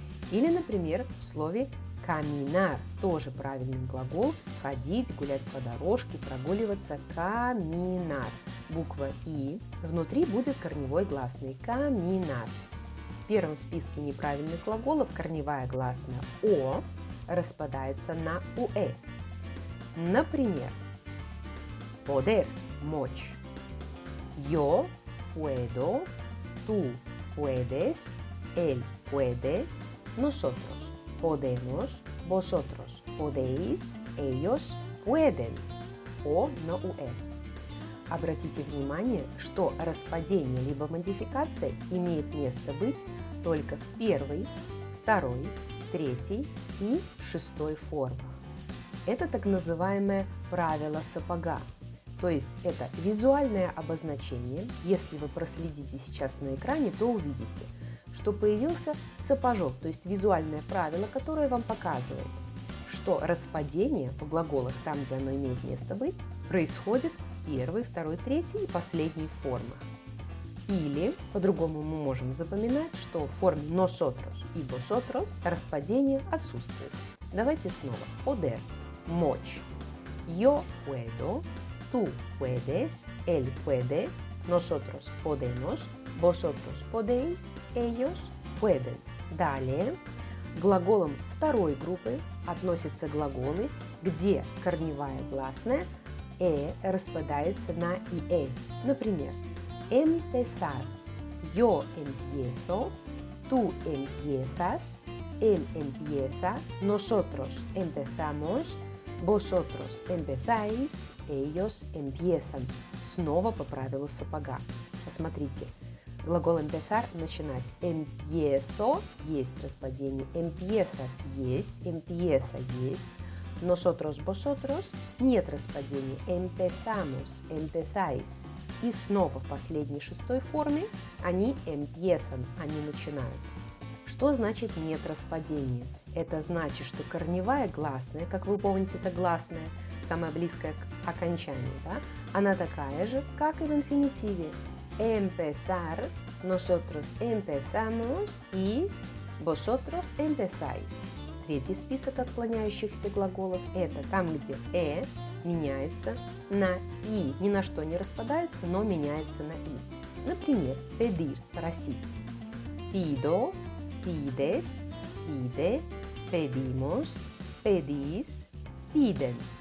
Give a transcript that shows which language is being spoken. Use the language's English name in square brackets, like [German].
[Russian] Или, например, в слове «caminar» – тоже правильный глагол «ходить», «гулять по дорожке», «прогуливаться», «caminar». Буква «и» внутри будет корневой гласной «caminar». В первом списке неправильных глаголов корневая гласная «о» распадается на «уэ». Например, [Spanish] «poder» – [Russian] «мочь», [Spanish] «yo puedo», «tú puedes», «él puede», «nosotros» – «podemos», «vosotros» – «podéis», «ellos» – «pueden», «o» на «уэ». [Russian] Обратите внимание, что распадение либо модификация имеет место быть только в первой, второй, третьей и шестой формах. Это так называемое правило сапога, то есть это визуальное обозначение. Если вы проследите сейчас на экране, то увидите, что появился сапожок, то есть визуальное правило, которое вам показывает, что распадение в глаголах там, где оно имеет место быть, происходит в первой, второй, третьей и последней формах. Или, по-другому мы можем запоминать, что в форме «nosotros» и «vosotros» распадение отсутствует. Давайте снова. «Poder» – «мочь». [Spanish] «Yo puedo», «tú puedes», «él puede», «nosotros podemos», «vosotros podéis», «ellos pueden». [Russian] Далее, к глаголам второй группы относятся глаголы, где корневая гласная «э» распадается на «иэ». Например, [Spanish] «empezar» – «yo empiezo», «tú empiezas», «él empieza», «nosotros empezamos», «vosotros empezáis», «ellos empiezan». [Russian] Снова по правилу сапога. Посмотрите, глагол «empezar» – «начинать». «Empiezo» – есть распадение, «empiezas» – есть, «empieza» – есть. «Nosotros, vosotros» – нет распадения. [Spanish] «Empezamos», «empezáis». [Russian] И снова в последней шестой форме они «empiezan», они начинают. Что значит «нет распадения»? Это значит, что корневая гласная, как вы помните, это гласная, самая близкая к окончанию, да? Она такая же, как и в инфинитиве. [Spanish] «Empezar», «nosotros empezamos» и «vosotros empezáis». [Russian] Третий список отклоняющихся глаголов – это там, где «э» меняется на «и». Ни на что не распадается, но меняется на «и». Например, «pedir» – «просить». [Spanish] «Pido», «pides», «pide», «pedimos», «pedís», «piden».